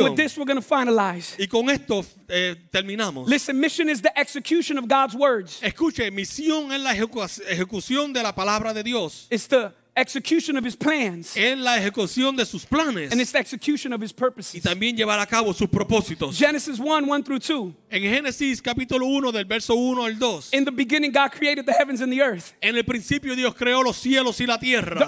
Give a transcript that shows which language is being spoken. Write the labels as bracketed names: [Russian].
[English] And with this we're going to finalize. [Spanish] Y con esto terminamos. [English] Listen, mission is the execution of God's words. [Spanish] Escuche, misión es la ejecución de la palabra de Dios. [English] It's the execution of His plans. [Spanish] En la ejecución de sus planes. [English] And it's the execution of His purposes. [Spanish] Y también llevar a cabo sus propósitos. [English] Genesis 1:1 through 2. [Spanish] En Génesis capítulo 1 del verso 1 al 2. [English] In the beginning God created the heavens and the earth. [Spanish] En el principio Dios creó los cielos y la tierra.